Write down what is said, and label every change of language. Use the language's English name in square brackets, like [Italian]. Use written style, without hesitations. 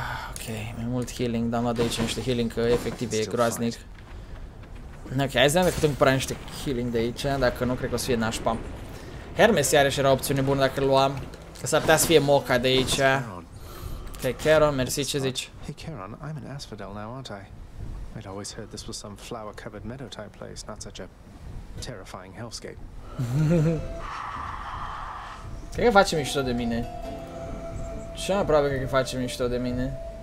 [Romanian] Ok, mai mult healing, dar nu de aici niște healing, că efectiv e groaznic. Ok, hai să ne putem cumpăra niște healing de aici, dacă nu cred că o să fie nașpa. Hermes iarăși era opțiune bună dacă îl luam. Că s-ar putea să fie Mocha de aici. Ok, Charon, mersi, ce zici? [English] Hey Charon, I'm an Asphodel now, aren't I? I'd always heard this was some flower-covered meadow type place, not such a terrifying hellscape. [Romanian] Cred că face mișto de mine. Și mai probabil că face mișto de mine.